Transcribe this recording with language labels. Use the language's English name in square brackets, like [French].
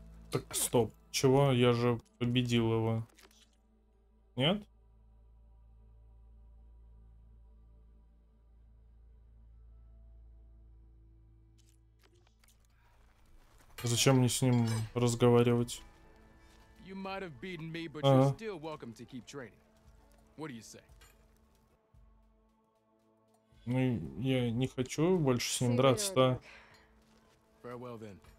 [Russian] Так, стоп. Чего? Я же победил его. Нет? Зачем мне с ним разговаривать? [English] You might have beaten me, but you're still welcome to keep training. What do you say? [Russian] Ну, я не хочу больше с ним драться-то. [English] Farewell then.